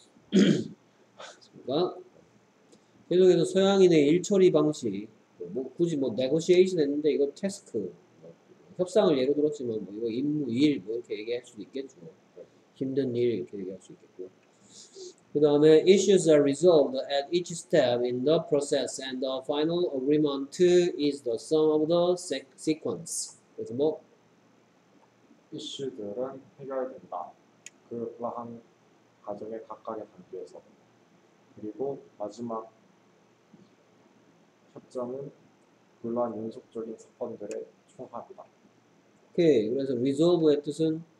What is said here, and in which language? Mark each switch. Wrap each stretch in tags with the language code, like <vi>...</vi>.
<ko>그렇습니까? 계속해서 서양인의 일처리 방식. 뭐 굳이 뭐 negotiation 했는데 이거 task. 협상을 예로 들었지만 뭐 이거 임무, 일 뭐 이렇게 얘기할 수도 있겠죠. 힘든 일 이렇게 얘기할 수 있겠고.</ko> <en>그 다음에 issues are resolved at each step in the process and the final agreement is the sum of the sequence.</en> <ko>그래서 뭐? 이슈들은 해결된다. 그러한 과정의 각각의 단계에서 그리고 마지막 협정은 불러한 연속적인 사건들의 총합이다. 오케이. 그래서 resolve의 뜻은?</ko>